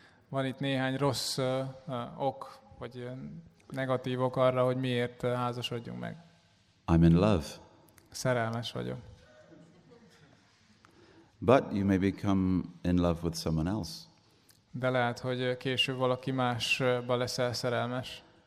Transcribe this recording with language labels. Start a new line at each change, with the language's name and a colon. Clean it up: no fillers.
Hungarian: Van itt néhány rossz ok, vagy negatív ok arra, hogy miért házasodjunk meg.
English: I'm in love.
Hungarian: Szerelmes vagyok.
English: But you may become in love with someone else.
Hungarian: De lehet, hogy később valaki másba leszel szerelmes.